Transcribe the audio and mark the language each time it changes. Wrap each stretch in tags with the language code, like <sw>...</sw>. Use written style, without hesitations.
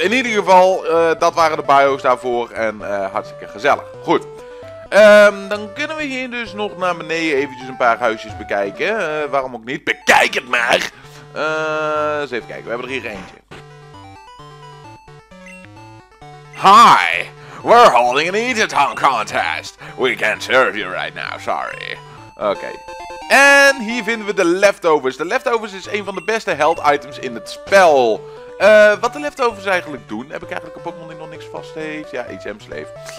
<nl>In ieder geval, dat waren de bio's daarvoor en hartstikke gezellig. Goed. Dan kunnen we hier dus nog naar beneden eventjes een paar huisjes bekijken. Waarom ook niet? Bekijk het maar! Eens even kijken, we hebben er hier eentje.</nl> <en>Hi! We're holding an eat-a-tongue contest. We can't serve you right now, sorry.</en> <nl>Oké. En hier vinden we de leftovers. De leftovers is een van de beste health items in het spel. Wat de leftovers eigenlijk doen? Heb ik eigenlijk een Pokémon die nog niks vast heeft? Ja, HM Slave.</nl>